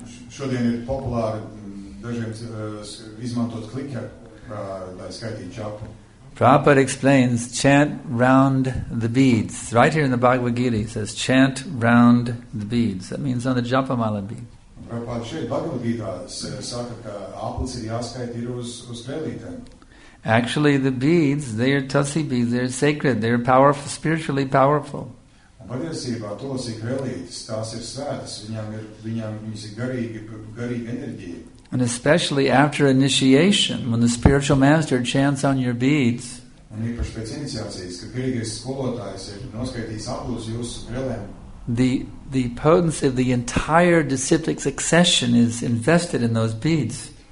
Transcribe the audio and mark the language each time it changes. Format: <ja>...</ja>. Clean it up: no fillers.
<lv>Šodien ir populāri dažiem izmantot clicker, lai skaitītu čapu.</lv> <en>Prabhupada explains, chant round the beads. Right here in the Bhagavad Gita, he says, chant round the beads. That means on the japa mala bead.</en> <lv>Prabhupada šeit Bhagavad Gita saka, ka aplis ir jāskait ir uz krelītēm.</lv> <en>Actually, the beads, they are tulsi beads, they are sacred, they are powerful, spiritually powerful.</en> <lv>Patiesībā tulsi krelītes, tās ir svētas, viņas ir garīga enerģija.</lv> <en>And especially after initiation, when the spiritual master chants on your beads, the potency of the entire disciplic succession is invested in those beads.</en>